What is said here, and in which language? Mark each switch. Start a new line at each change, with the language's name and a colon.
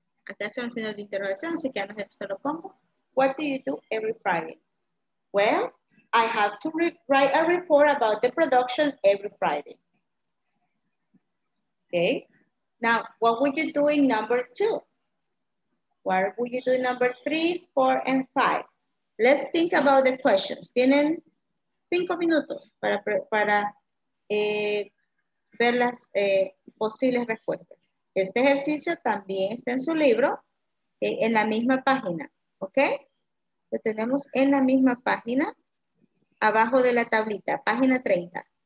Spanish: Acá está un signo de interrogación, así que ya no sé, se lo pongo.
English: What do you do every Friday? Well, I have to write a report about the production every Friday. Okay. Now, what would you do in number two? What would you do in number 3, 4, and 5? Let's think about the questions.
Spanish: Tienen 5 minutos para ver las posibles respuestas. Este ejercicio también está en su libro, en la misma página, ¿ok? Lo tenemos en la misma página, abajo de la tablita, página 30.